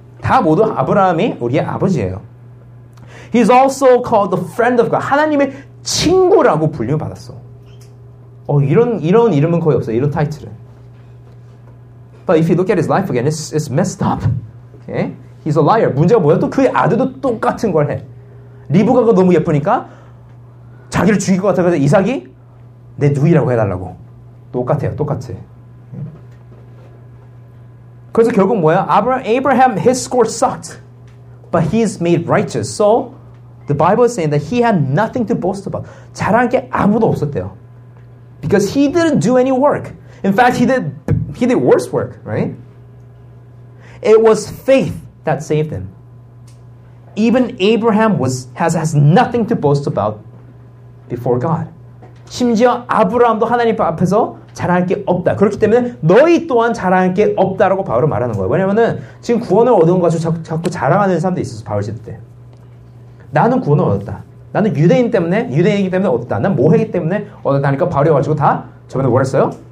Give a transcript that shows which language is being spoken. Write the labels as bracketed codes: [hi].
[ko] 다 모두 아브라함이 우리의 아버지예요. [en] He's also called the friend of God. [ko] 하나님의 친구라고 불려받았어. 이런 이름은 거의 없어. 이런 타이틀은. [en] But if you look at his life again, it's messed up. Okay? He's a liar. [ko] 문제가 뭐야? 또 그의 아들도 똑같은 걸 해. 리브가가 너무 예쁘니까 자기를 죽일 것 같아서 이삭이 내 누이라고 해달라고. 똑같아요. 똑같아. 그래서 결국 뭐야? [en] Abraham, his score sucked. But he's made righteous. So, the Bible is saying that he had nothing to boast about. [ko] 자랑할 게 아무도 없었대요. [en] Because he didn't do any work. In fact, he did worse work, right? It was faith that saved him. Even Abraham has nothing to boast about before God. [ko] 심지어 아브라함도 하나님 앞에서 자랑할 게 없다. 그렇기 때문에 너희 또한 자랑할 게 없다라고 바울은 말하는 거예요. 왜냐면은 지금 구원을 얻은 것 가지고 자꾸 자랑하는 사람도 있었어, 바울 시대 때. 나는 구원을 얻었다. 나는 유대인이기 때문에 얻었다. 난 모해기 때문에 얻었다니까 바울이 와가지고 다 저번에 뭐랬어요?